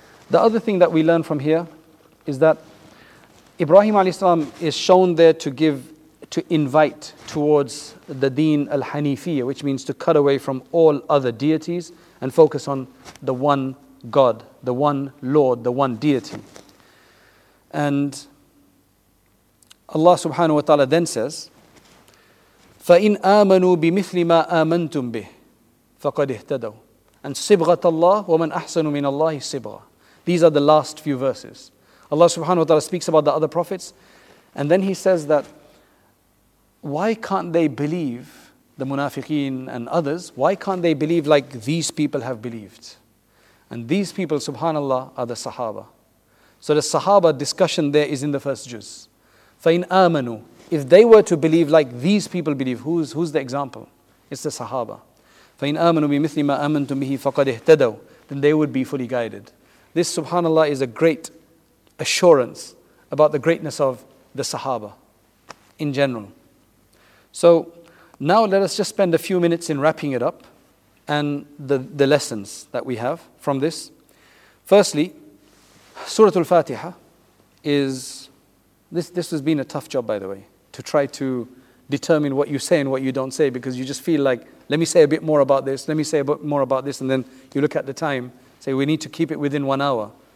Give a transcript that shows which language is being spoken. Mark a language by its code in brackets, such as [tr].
[en] The other thing that we learn from here is that Ibrahim alayhi salam is shown there to invite towards the deen al-hanifiyya, which means to cut away from all other deities and focus on the one God, the one Lord, the one deity. And Allah subhanahu wa ta'ala then says, [ar] فَإِنْ آمَنُوا بِمِثْلِ مَا آمَنْتُمْ بِهِ فَقَدْ اِهْتَدَوْا and صِبْغَةَ اللَّهِ وَمَنْ أَحْسَنُ مِنَ اللَّهِ صِبْغَةَ. [en] These are the last few verses. Allah subhanahu wa ta'ala speaks about the other prophets, and then He says that, why can't they believe, the munafiqeen and others, why can't they believe like these people have believed? And these people, subhanAllah, are the Sahaba. So the Sahaba discussion there is in the first juz. [ar] فَإِنْ آمَنُوا [en] If they were to believe like these people believe, who's the example? It's the Sahaba. [ar] فَإِنْ آمَنُوا بِمِثْلِ مَا آمَنْتُمْ بِهِ فَقَدْ اِهْتَدَوْا [en] Then they would be fully guided. This, subhanAllah, is a great assurance about the greatness of the Sahaba in general. So now let us just spend a few minutes in wrapping it up and the lessons that we have from this. Firstly, Surah Al-Fatiha is, this has been a tough job, by the way, to try to determine what you say and what you don't say, because you just feel like, let me say a bit more about this, and then you look at the time, say we need to keep it within 1 hour.